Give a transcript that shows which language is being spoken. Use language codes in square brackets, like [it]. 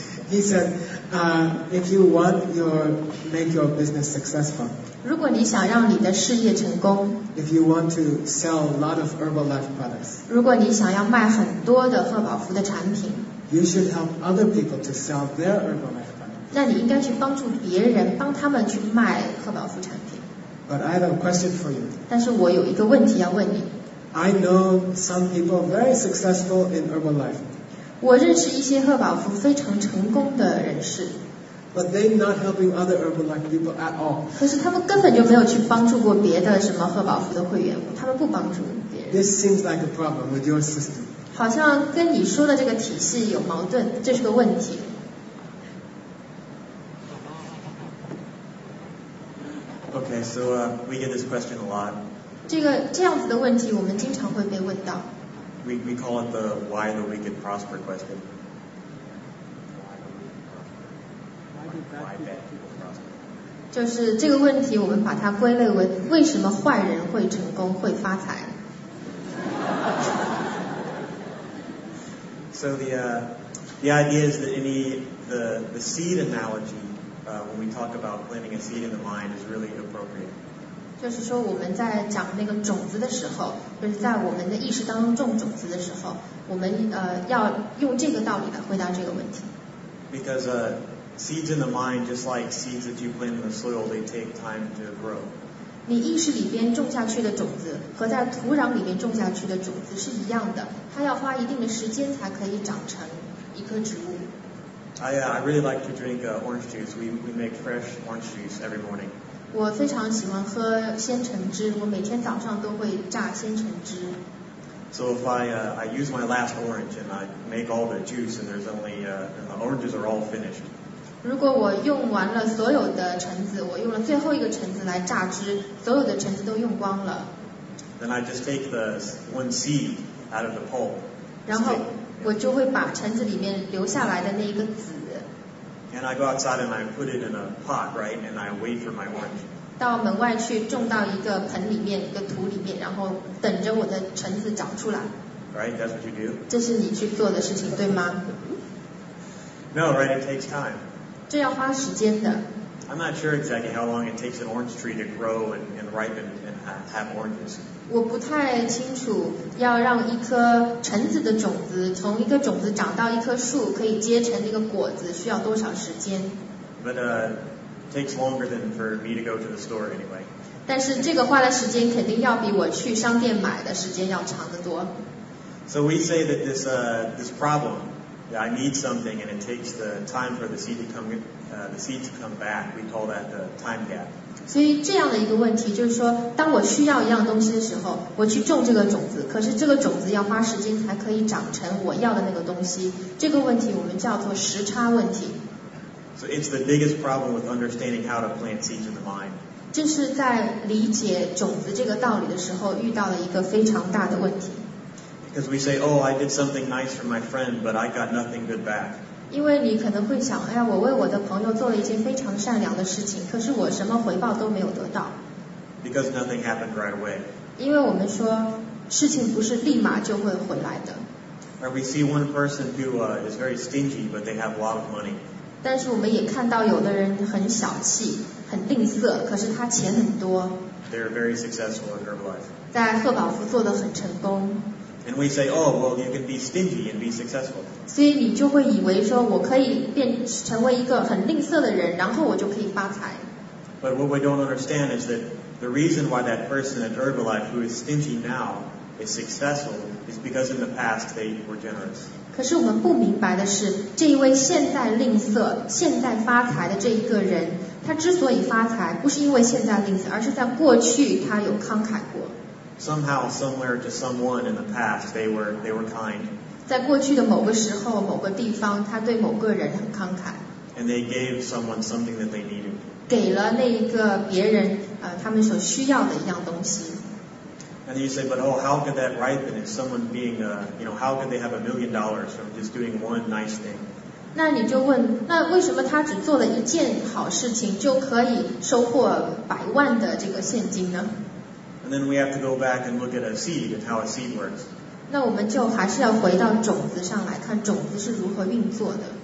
[en] He said, if you want make your business successful. [zh] 如果你想让你的事业成功。 [en] If you want to sell a lot of Herbalife products. [zh] 如果你想要卖很多的赫宝福的产品。 [en] You should help other people to sell their Herbalife products. [zh] 那你应该去帮助别人，帮他们去卖赫宝福产品。 [en] But I have a question for you. [zh] 但是我有一个问题要问你。 [en] I know some people very successful in Herbalife. [zh] 我认识一些赫宝福非常成功的人士。 [en] But they're not helping other Herbalife people at all. [zh] 可是他们根本就没有去帮助过别的什么赫宝福的会员，他们不帮助别人。 [en] This seems like a problem with your system. [zh] 好像跟你说的这个体系有矛盾，这是个问题。 [en] Okay, so we get this question a lot. [zh] 这样子的问题我们经常会被问到。 [en] We call it the why the wicked prosper question. Why bad people prosper? [zh] 就是这个问题我们把它归类为为什么坏人会成功会发财。 [en] So the idea is that the seed analogy. When we talk about planting a seed in the mind, is really appropriate. [zh] 就是说，我们在讲那个种子的时候，就是在我们的意识当中种种子的时候，我们要用这个道理来回答这个问题。 [en] Because seeds in the mind, just like seeds that you plant in the soil, they take time to grow. [zh] 你意识里边种下去的种子和在土壤里边种下去的种子是一样的，它要花一定的时间才可以长成一棵植物。 [en] I really like to drink orange juice. We make fresh orange juice every morning. [zh] 我非常喜欢喝鲜橙汁，我每天早上都会榨鲜橙汁。 [en] So if I use my last orange and I make all the juice and there's only and the oranges are all finished. [zh] 如果我用完了所有的橙子，我用了最后一个橙子来榨汁，所有的橙子都用光了。 [en] Then I just take the one seed out of the pulp. [zh] 然后。我就会把橙子里面留下来的那一个籽。 [en] And I go outside and I put it in a pot, right? And I wait for my orange. [zh] 到门外去种到一个盆里面，一个土里面，然后等着我的橙子长出来。 [en] right? That's what you do? [zh] 这是你去做的事情，对吗？ [en] No, right? It takes time. [zh] 这要花时间的。 [en] I'm not sure exactly how long it takes an orange tree to grow and ripen and have oranges. [zh] 我不太清楚要让一颗橙子的种子从一个种子长到一棵树可以结成那个果子需要多少时间。 [en] But it takes longer than for me to go to the store anyway. [zh] 但是这个花的时间肯定要比我去商店买的时间要长得多。 [en] So we say that this problem, that I need something and it takes the time for the seed to come in. The seed to come back, we call that the time gap. [zh] 所以这样的一个问题就是说，当我需要一样东西的时候，我去种这个种子，可是这个种子要花时间才可以长成我要的那个东西。这个问题我们叫做时差问题。 [en] So it's the biggest problem with understanding how to plant seeds in the mind. [zh] 这是在理解种子这个道理的时候遇到了一个非常大的问题。 [en] Because we say, oh, I did something nice for my friend, but I got nothing good back. [zh] 因为你可能会想，哎呀，我为我的朋友做了一件非常善良的事情，可是我什么回报都没有得到。 [en] Because nothing happened right away. [zh] 因为我们说，事情不是立马就会回来的。 [en] Or we see one person who is very stingy, but they have a lot of money. [zh] 但是我们也看到有的人很小气，很吝啬，可是他钱很多。 [en] They're very successful in Herbalife. [zh] 在赫宝福做得很成功。 [en] And we say, oh, well, you can be stingy and be successful. [zh] 所以你就会以为说我可以变成为一个很吝啬的人，然后我就可以发财。 [en] But what we don't understand is that the reason why that person at Herbalife who is stingy now is successful is because in the past they were generous. [zh] 可是我们不明白的是，这一位现在吝啬、现在发财的这一个人，他之所以发财，不是因为现在吝啬，而是在过去他有慷慨过。 [en] Somehow, somewhere to someone in the past, they were kind. [zh] 在过去的某个时候、某个地方，他对某个人很慷慨。 [en] And they gave someone something that they needed. [zh] 给了那一个别人，他们所需要的一样东西。 [en] And you say, but oh, how could that ripen if someone being a, you know, how could they have $1 million from just doing one nice thing? [zh] 那你就问，那为什么他只做了一件好事情就可以收获百万的这个现金呢？ [en] And then we have to go back and look at a seed and how a seed works. [zh] 那我们就还是要回到种子上来看种子是如何运作的。